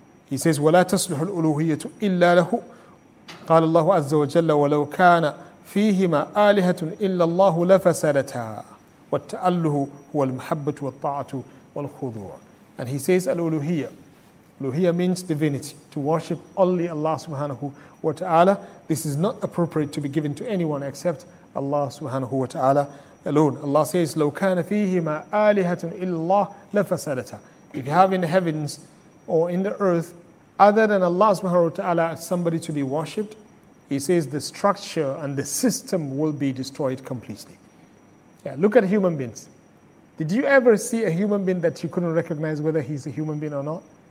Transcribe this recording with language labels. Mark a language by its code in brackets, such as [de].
[en] He says, [ar] وَلَا تَصْلُحُ الْأُلُوهِيَّةُ إِلَّا لَهُ قَالَ اللَّهُ عَزَّ وَجَلَّ وَلَوْ كَانَ فِيهِمَا آلِهَةٌ إِلَّا اللَّهُ لَفَسَدَتَا وَالتَّأَلُّهُ هُوَ الْمُحَبَّةُ وَالطَّاعَةُ وَالْخُضُوعُ. [en] And he says, al-uluhiyya. Uluhiyya means divinity, to worship only Allah subhanahu wa ta'ala. This is not appropriate to be given to anyone except Allah subhanahu wa ta'ala alone. Allah says, [ar] لَوْ كَانَ فِيهِمَا آلِهَةٌ إِلَّا اللَّهُ لَفَسَدَتَا. [en] If you have in the heavens or in the earth other than Allah subhanahu wa ta'ala as somebody to be worshipped, he says the structure and the system will be destroyed completely. Yeah, look at human beings. Did you ever see a human being that you couldn't recognize whether he's a human being or not?